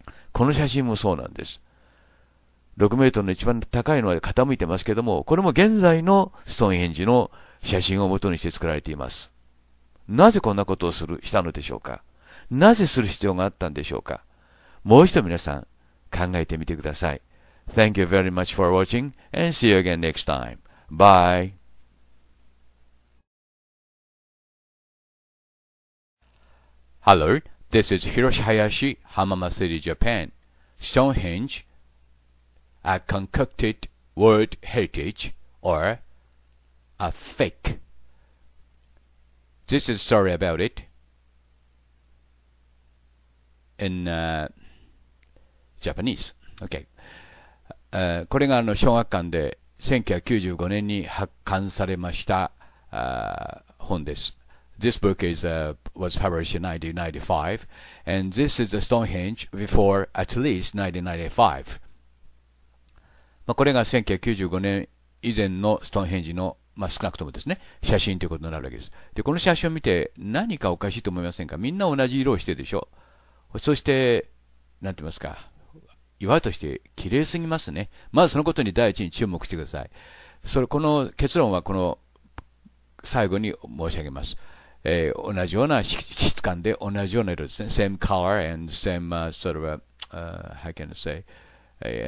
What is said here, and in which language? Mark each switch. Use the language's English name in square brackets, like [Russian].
[Japanese] この写真もそうなんです。6メートルの一番高いのは傾いてますけども、これも現在のストーンヘンジの写真を元にして作られています。なぜこんなことをしたのでしょうか？なぜする必要があったんでしょうか？もう一度皆さん考えてみてください。 [English] Thank you very much for watching and see you again next time. Bye. Hello, this is Hiroshi Hayashi, Hamamatsuri, Japan. Stonehenge, a concocted world heritage or a fake. This is a story about it. In Japanese. Okay. [Japanese] これが小学館で1995年に発刊されました本です。 [English] This book was published in 1995, and this is a Stonehenge before at least 1995. [Japanese] これが1995年以前のストーンヘンジの、少なくともですね、写真ということになるわけです。で、この写真を見て何かおかしいと思いませんか？みんな同じ色をしてるでしょ。そして、なんて言いますか、岩として綺麗すぎますね。まずそのことに第一に注目してください。それ、この結論はこの最後に申し上げます。同じような質感で同じような色ですね。 [English] Same color and same sort of, how can I say?